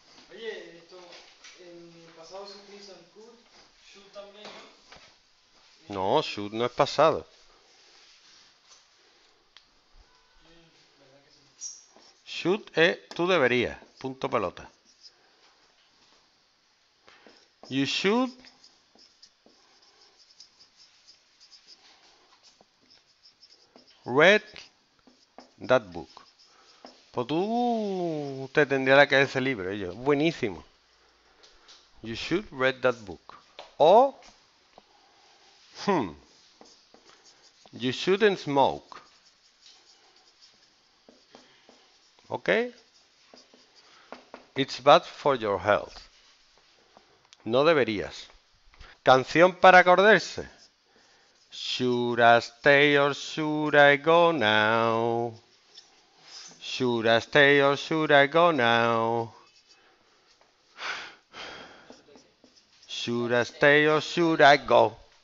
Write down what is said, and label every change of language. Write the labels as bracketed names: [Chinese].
[Spanish] Oye, esto en el pasado se utiliza el could, should también, ¿no? No, should no es pasado. Should es tú deberías, punto pelota. [English] You should read that book. [Spanish] Pues tú te tendrías la cabeza libre, ellos. Buenísimo. [English] You should read that book. [Spanish] O. [English] You shouldn't smoke. ¿Ok? It's bad for your health. No deberías. [Spanish] Canción para acordarse. [English] Should I stay or should I go now? Should I stay or should I go now? [Spanish] ¿Eso de qué? [English] Should should I stay or should I go?